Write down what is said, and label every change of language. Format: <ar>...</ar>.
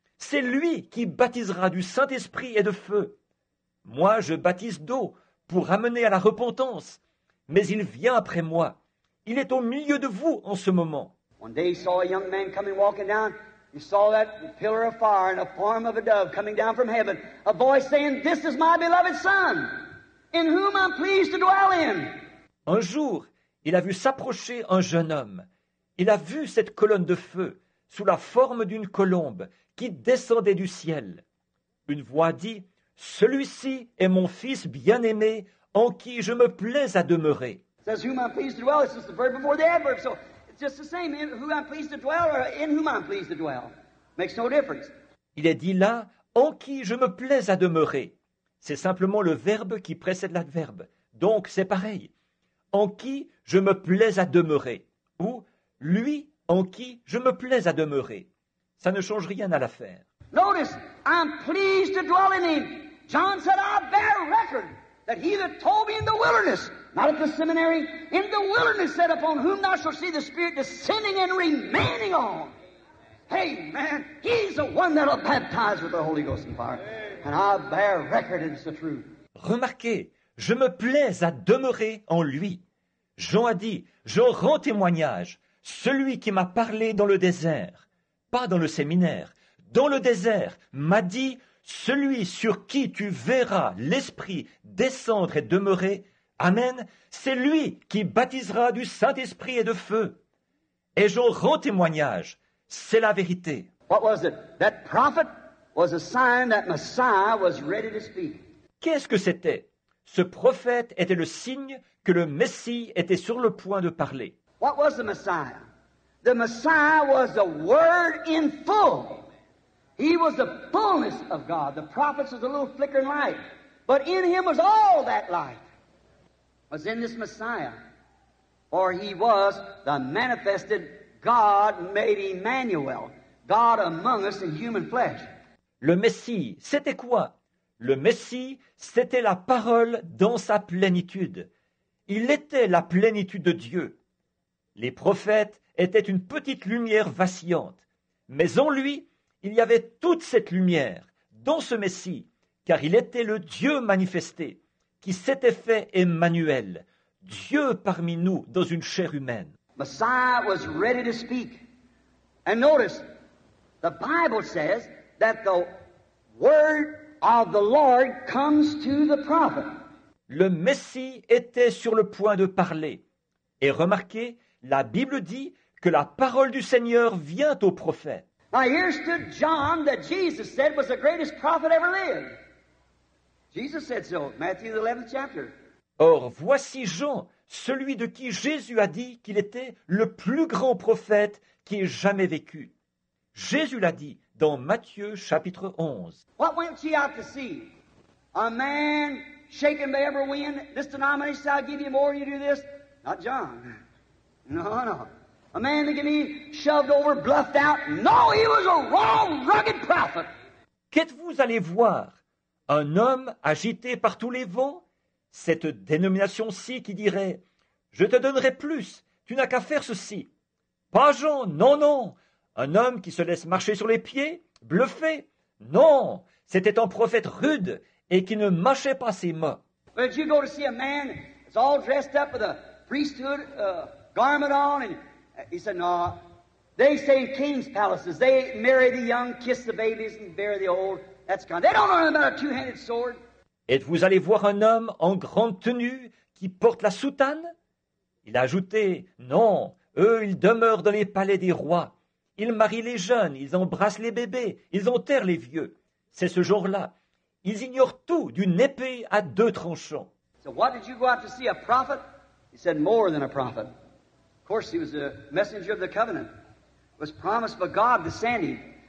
<fr>C'est lui qui baptisera du Saint-Esprit et de feu. Moi, je baptise d'eau pour amener à la repentance. Mais il vient après moi. Il est au milieu de vous en ce moment.</fr> <en>One day he saw a young man coming walking down. He saw that pillar of fire in the form of a dove coming down from heaven. A voice saying, this is my beloved son, in whom I'm pleased to dwell in.</en> <fr>Un jour, il a vu s'approcher un jeune homme. Il a vu cette colonne de feu sous la forme d'une colombe qui descendait du ciel. Une voix dit, « Celui-ci est mon fils bien-aimé en qui je me plais à demeurer. »</fr> <en>It says, « Whom I'm pleased to dwell. » It's just the verb before the adverb. So, it's just the same. In whom I'm pleased to dwell or in whom I'm pleased to dwell. Makes no difference.</en> <fr>Il est dit là, « En qui je me plais à demeurer. » C'est simplement le verbe qui précède l'adverbe. Donc, c'est pareil. « En qui je me plais à demeurer. » Ou « Lui en qui je me plais à demeurer. » Ça ne change rien à l'affaire.</fr> <en>Notice, I'm pleased to dwell in him. John said, I bear record that he that told me in the wilderness, not at the seminary, in the wilderness said, upon whom thou shalt see the Spirit descending and remaining on. Hey, man, he's the one that'll baptize with the Holy Ghost and fire. And I bear record it's the truth.</en> <fr>Remarquez, je me plais à demeurer en lui. Jean a dit, j'en rends témoignage. Celui qui m'a parlé dans le désert, pas dans le séminaire, dans le désert, m'a dit, celui sur qui tu verras l'Esprit descendre et demeurer, amen, c'est lui qui baptisera du Saint-Esprit et de feu. Et j'en rends témoignage, c'est la vérité.</fr> <en>What was it? That prophet was a sign that Messiah was ready to speak.</en> <fr>Qu'est-ce que c'était? Ce prophète était le signe que le Messie était sur le point de parler.</fr> <en>What was the Messiah? The Messiah was the Word in full. He was the fullness of God. The prophets was a little flickering light. But in him was all that light. Was in this Messiah. For he was the manifested God made Emmanuel. God among us in human flesh.</en> <fr>Le Messie, c'était quoi? Le Messie, c'était la parole dans sa plénitude. Il était la plénitude de Dieu. Les prophètes étaient une petite lumière vacillante, mais en lui, il y avait toute cette lumière, dans ce Messie, car il était le Dieu manifesté, qui s'était fait Emmanuel, Dieu parmi nous dans une chair humaine.</fr> <en>Messiah was ready to speak. And notice, the Bible says that the word of the Lord comes to the prophet.</en> <fr>Le Messie était sur le point de parler. Et remarquez, la Bible dit que la parole du Seigneur vient au prophète.</fr> <en>Now here stood John that Jesus said was the greatest prophet ever lived. Jesus said so, Matthew 11th chapter.</en> <fr>Or voici Jean, celui de qui Jésus a dit qu'il était le plus grand prophète qui ait jamais vécu. Jésus l'a dit dans Matthieu chapitre 11.</fr> <en>What went ye out to see? A man shaken by every wind? This denomination shall give you more, you do this? Not John. No, no. A man that can be shoved over, bluffed out? No, he was a raw, rugged prophet.</en> <fr>Qu'êtes-vous allé voir? Un homme agité par tous les vents? Cette dénomination-ci qui dirait « Je te donnerai plus, tu n'as qu'à faire ceci. » Pas Jean, non, non. Un homme qui se laisse marcher sur les pieds, bluffé. Non, c'était un prophète rude et qui ne mâchait pas ses mains.</fr> <en>But you go to see a man that's all dressed up with a priesthood garment on, and he said, no, they stay in king's palaces. They marry the young, kiss the babies, and bury the old. That's kind. They don't know anything about a two-handed sword.</en> <fr>Êtes-vous allé voir un homme en grande tenue qui porte la soutane? Il a ajouté, non, eux, ils demeurent dans les palais des rois. Ils marient les jeunes, ils embrassent les bébés, ils enterrent les vieux. C'est ce jour-là. Ils ignorent tout d'une épée à deux tranchants.</fr> <en>So what did you go out to see, a prophet? He said, more than a prophet. Of course, he was a messenger of the covenant. It was promised by God to send him.</en>